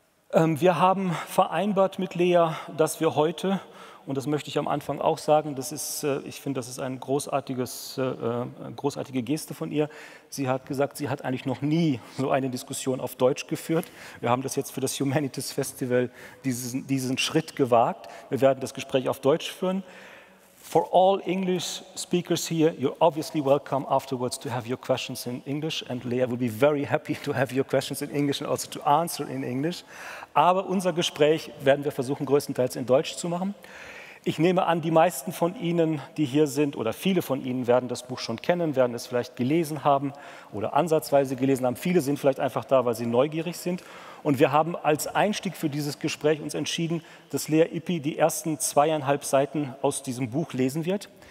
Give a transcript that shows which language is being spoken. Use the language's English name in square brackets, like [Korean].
[German] Wir haben vereinbart mit Lea, dass wir heute, und das möchte ich am Anfang auch sagen, das ist, ich finde, das ist ein großartige Geste von ihr. Sie hat gesagt, sie hat eigentlich noch nie so eine Diskussion auf Deutsch geführt. Wir haben das jetzt für das Humanities Festival diesen Schritt gewagt. Wir werden das Gespräch auf Deutsch führen. [English] For all English speakers here, you're obviously welcome afterwards to have your questions in English, and Lea will be very happy to have your questions in English and also to answer in English. [German] Aber unser Gespräch werden wir versuchen, größtenteils in Deutsch zu machen. Ich nehme an, die meisten von Ihnen, die hier sind, oder viele von Ihnen werden das Buch schon kennen, werden es vielleicht gelesen haben oder ansatzweise gelesen haben. Viele sind vielleicht einfach da, weil sie neugierig sind. Und wir haben als Einstieg für dieses Gespräch uns entschieden, dass Lea Ippi die ersten 2,5 Seiten aus diesem Buch lesen wird.